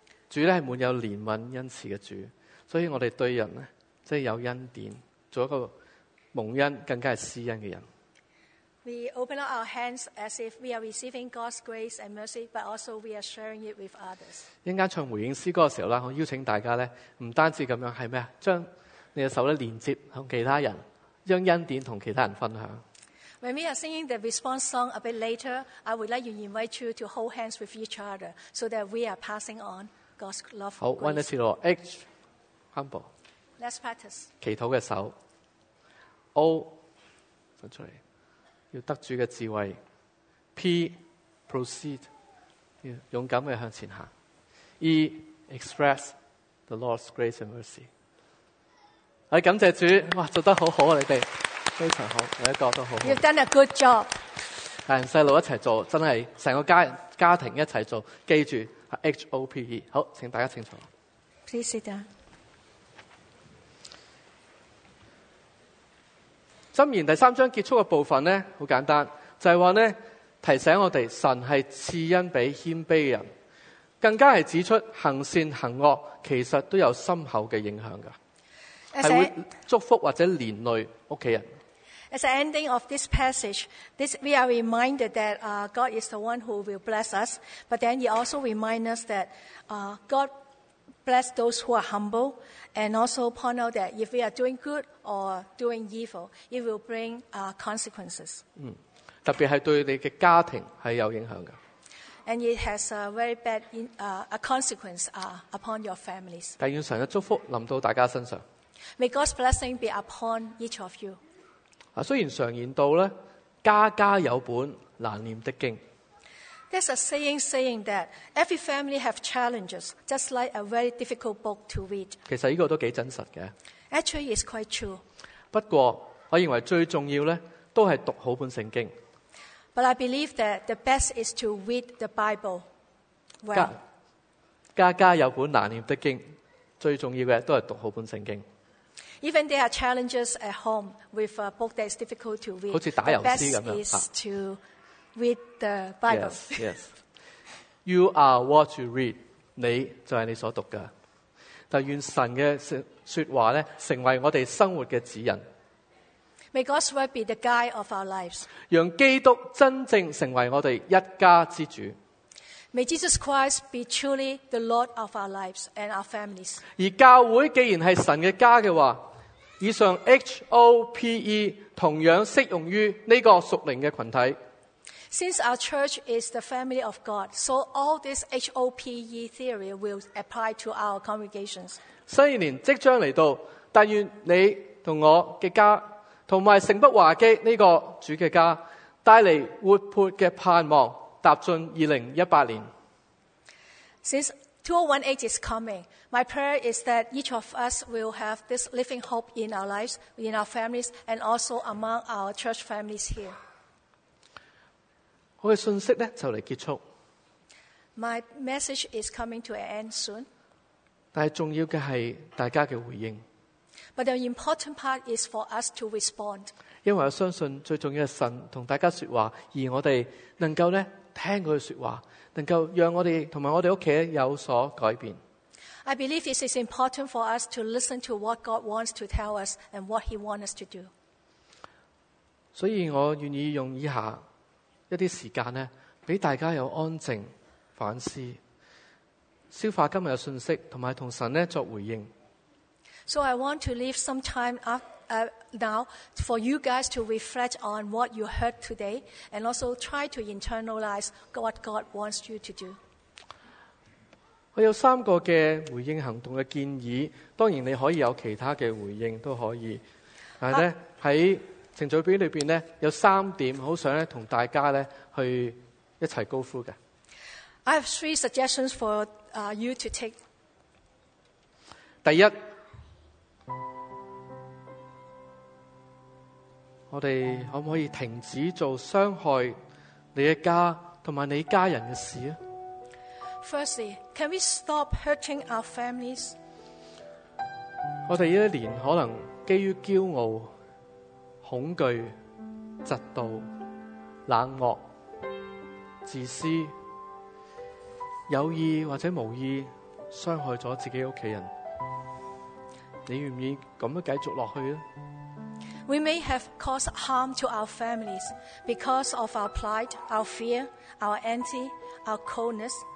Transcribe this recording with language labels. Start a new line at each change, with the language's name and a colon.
Chinese: 主咧系满有怜悯恩慈嘅主，所以我哋对人咧即系有恩典，做一个蒙恩更加系施恩嘅人。
English: We open up our hands as if we are receiving God's grace and mercy, but also we are sharing it with others.
Chinese: 一间唱回应诗歌嘅时候啦，我邀请大家咧，唔单止咁样，系咩啊？将你嘅手咧连接同其他人，将恩典同其他人分享。
English: When we are singing the response song a bit later, I would like to invite you to hold hands with each other so that we are passing on. God's love,
Chinese: 好，温一次咯。H humble，
English: Let's practice
Chinese: 祈祷嘅手。O 伸出嚟，要得主嘅智慧。 P proceed， 要勇敢嘅向前行。
English: E express the Lord's grace and mercy。
Chinese: 我感谢主，哇，做得好好啊！你哋非常好，每一个都好好。
English: You've done a good job。
Chinese: 大人细路一齐做，真系成个 家庭一齐做，记住。 H-O-P-E 好，请大家请坐。
English: Please sit down。
Chinese: 箴言第三章结束的部分呢很简单，就是说呢提醒我们神是赐恩给谦卑的人，更加是指出行善行恶其实都有深厚的影响的，是会祝福或者连累家人。
English: As the ending of this passage, this, we are reminded that God is the one who will bless us, but then He also reminds us that God bless those who are humble, and also point out that if we are doing good or doing evil, it will bring consequences.
Chinese: 嗯，特別是對你的家庭是有影響的。
English: And it has a very bad a consequence upon your families.
Chinese: 但願神的祝福臨到大家身上。
English: May God's blessing be upon each of you.
Chinese: 虽然常言道咧，家家有本难念的经。
English: There's a saying saying that every family have challenges, just like a very difficult book to read.
Chinese: 其实呢个都几真实嘅。
English: Actually, it's quite true.
Chinese: 不过我认为最重要咧，都系读好本圣经。
English: But I believe that the best is to read the Bible well.
Chinese: 家家有本难念的经，最重要嘅都系读好本圣经。
English: Even there are challenges at home with a book that is difficult to read.
Chinese: 好似打油诗咁
English: 样。The best is to read the Bible. Yes, yes. You are what you read.
Chinese: 你就是你所读的。但愿神的说话呢成为我们生活的指引。
English: May God's word be the guide of our lives.
Chinese: 让基督真正成为我们一家之主。
English: May Jesus Christ be truly the Lord of our lives and our families.
Chinese: 而教会既然是神的家的话，以上 H-O-P-E 同样适用于这个属灵的群体。
English: Since our church is the family of God, so all this H-O-P-E theory will apply to our congregations.
Chinese: 新一年即将来到，但愿你和我的家，同埋城北华基这个主的家，带来活泼的盼望。踏进2018年。
English: Since 2018 is coming, my prayer is that each of us will have this living hope in our lives, in our families, and also among our church families here.
Chinese: 我的信息呢，就来结束。
English: My message is coming to an end soon.
Chinese: 但係重要嘅係大家嘅回應。
English: But the important part is for us to respond.
Chinese: 因為我相信最重要係神同大家說話，而我哋能夠咧聽佢說話，能夠讓我哋同埋我哋屋企有所改變。
English: I believe it is important for us to listen to what God wants to tell us and what He wants us to do.
Chinese: 所以我願意用以下一些時間呢，給大家有安靜、反思、消化今天的信息，同埋同神呢作回應。
English: So I want to leave some time now for you guys to reflect on what you heard today and also try to internalize what God wants you to do.
Chinese: 我有三个的回应行动的建议，当然你可以有其他的回应都可以，但是在程序表里面有三点很想跟大家去一起高呼的。
English: I have three suggestions for you to take.
Chinese: 第一，我们可不可以停止做伤害你的家和你家人的事？
English: Firstly, can we stop hurting our families?
Chinese: 我哋呢一年可能基于骄傲、恐惧、嫉妒、冷漠、自私，有意或者无意伤害咗自己屋企人。你愿唔愿意咁样继续落去咧？
English: We may have caused harm to our families because of our pride, our fear, our envy, our coldness.